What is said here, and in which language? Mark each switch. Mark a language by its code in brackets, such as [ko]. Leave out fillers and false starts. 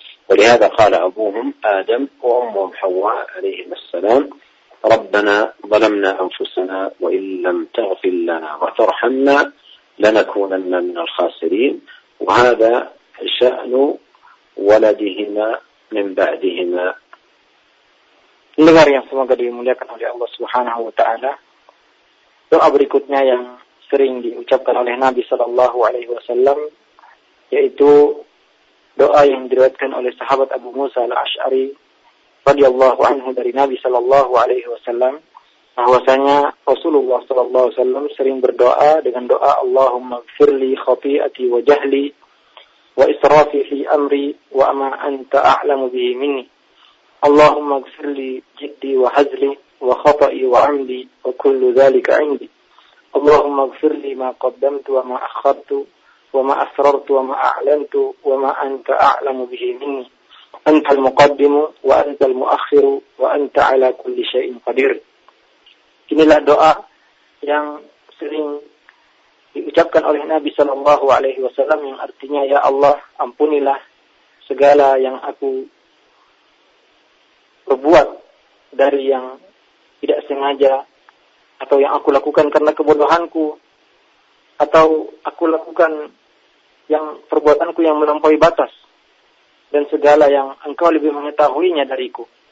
[ar] ولهذا قال أبوهم آدم وأمهم حواء عليهم السلام: ربنا ظلمنا أنفسنا وإن لم تغفر لنا وترحمنا لنكونن من الخاسرين. وهذا شأن ولدهما من بعدهما. [id] Dengar yang semoga dimuliakan oleh Allah Subhanahu wa taala. Doa berikutnya yang sering diucapkan oleh Nabi sallallahu alaihi wasallam yaitu doa yang diriwayatkan oleh sahabat Abu Musa Al-Asy'ari radhiyallahu anhu dari Nabi sallallahu alaihi wasallam, bahwasanya Rasulullah sallallahu alaihi wasallam sering berdoa dengan doa [ar] Allahumma ighfirli khathiati wa jahli wa israfi fi amri wa ma anta a'lamu bihi minni. اللهم اغفر لي جدي وهزلي وخطئي وعمدي وكل ذلك عندي. اللهم اغفر لي ما قدمت وما أخرت وما أسررت وما أعلنت وما أنت أعلم به مني. أنت المقدم وأنت المؤخر وأنت على كل شيء قدير. [id] Inilah doa yang sering diucapkan oleh Nabi sallallahu alaihi wasallam yang artinya, ya Allah, ampunilah segala yang aku berbuat dari yang tidak sengaja, atau yang aku lakukan karena kebodohanku, atau aku lakukan yang perbuatanku yang melampaui batas, dan segala yang engkau lebih mengetahuinya dariku.